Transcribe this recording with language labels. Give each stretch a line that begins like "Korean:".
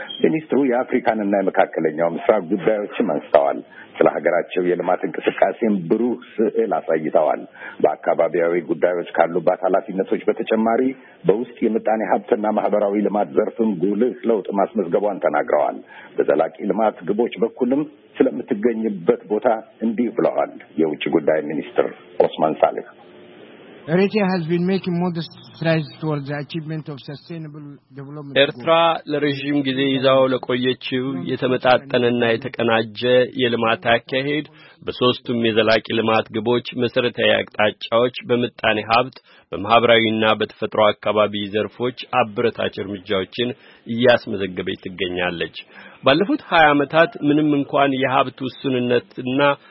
Amharic: ሚኒስትሩ የአፍሪካንና የመካከለኛው ምስራቅ ጉዳዮችን አንስተዋል። ስለ ሀገራቸው የልማት እንቅስቃሴም ብሩህ ስዕል አሳይተዋል። በአካባቢያዊ ጉዳዮች ካሉባት ኃላፊነቶች በተጨማሪ በውስጥ የምጣኔ ሀብትና ማህበራዊ ልማት ዘርፍም ጉልህ ለውጥ ማስመዝገቧን ተናግረዋል። በዘላቂ ልማት ግቦች በኩልም ስለምትገኝበት ቦታ እንዲህ ብለዋል። የውጭ ጉዳይ ሚኒስትር ኦስማን ሳልህ
English: Eritrea has been making modest strides towards the achievement of sustainable development.
Amharic: ኤርትራ ለረጅም ጊዜ ይዛው ለቆየችው የተመጣጠነና የተቀናጀ የልማት አካሄድ በሶስቱም የዘላቂ ልማት ግቦች መሰረታዊ አቅጣጫዎች በመጣኔ ሀብት በማህበራዊና በተፈጥሮ አካባቢ ዘርፎች አብረታች እርምጃዎችን እያስመዘገበች ትገኛለች። ባለፉት 20 አመታት ምንም እንኳን የሀብት ውስንነትና